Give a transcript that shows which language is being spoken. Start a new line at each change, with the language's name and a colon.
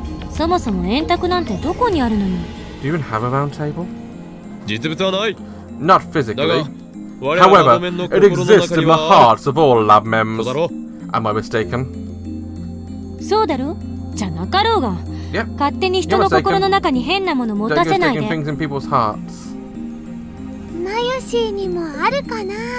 Japanese: そもそも円卓なんてどこにあるのよ?
English: Do you even have a round table?
Japanese: 実物はない。
English: Not physically. However, it exists in the hearts of all lab mems. Am I mistaken?
Japanese: そうだろ?じゃなかろうが。
English: Yep.
Japanese: 勝手に人の心の中に変なもの持たせないで。
English: Don't be taking things in people's hearts.
Japanese: マユシーにもあるかな?